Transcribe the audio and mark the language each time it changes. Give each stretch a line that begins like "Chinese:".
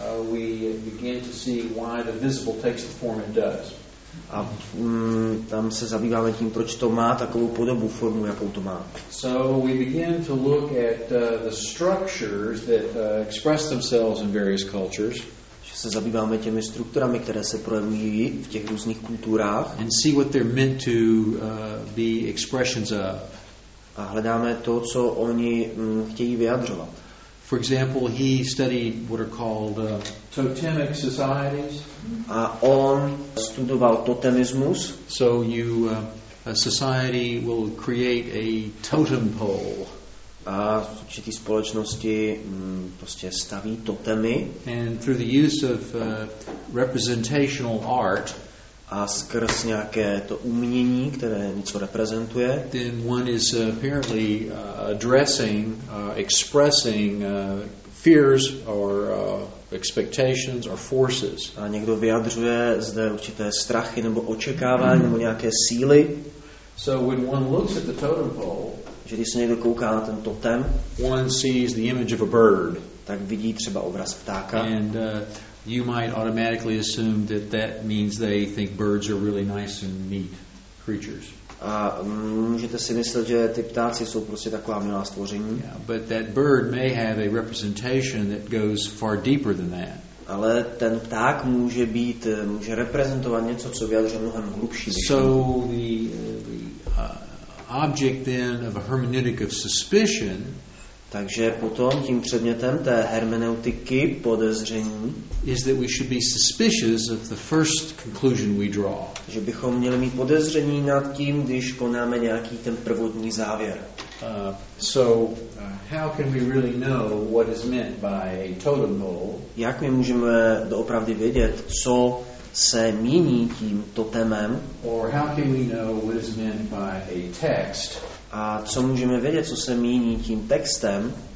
English: we begin to see why the visible takes the form it does.
Czech: A tam se zabýváme tím, proč to má takovou podobu, formu, jakou to má.
English: So we begin to look at the structures that express themselves in various cultures.
Czech: Že se zabýváme těmi strukturami, které se projevují v těch různých kulturách.
English: And see what they're meant to be expressions of.
Czech: A hledáme to, co oni chtějí vyjadřovat.
English: For example, he studied what are called totemic societies.
Czech: A on studoval totemismus.
English: So you a society will create a totem pole.
Czech: A určitý společnosti prostě staví totemy.
English: And through the use of representational art,
Czech: a skrz nějaké to umění, které něco reprezentuje,
English: then one is apparently addressing, expressing fears or expectations or forces.
Czech: A někdo vyjadřuje zde určité strachy nebo očekávání nebo nějaké síly.
English: So when one looks at the totem pole,
Czech: že když se někdo kouká na ten totem,
English: one sees the image of a bird,
Czech: tak vidí třeba obraz ptáka.
English: And you might automatically assume that that means they think birds are really nice and neat creatures.
Czech: A můžete si myslet, že ty ptáci jsou prostě taková milá stvoření.
English: Yeah, but that bird may have a representation that goes far deeper than that.
Czech: Ale ten pták může být, může reprezentovat něco, co vyjadřuje mnohem hlubší.
English: So the object then of a hermeneutic of suspicion,
Czech: takže potom tím předmětem té hermeneutiky podezření,
English: is that we should be suspicious of the first conclusion we draw.
Czech: Že bychom měli mít podezření nad tím, když konáme nějaký ten prvotní závěr.
English: How can we really know what is meant by a totem pole?
Czech: Jak my můžeme doopravdy vědět, co se míní tím totemem?
English: Or how can we know what is meant by a text?
Czech: A co můžeme vědět, co se míní tím textem?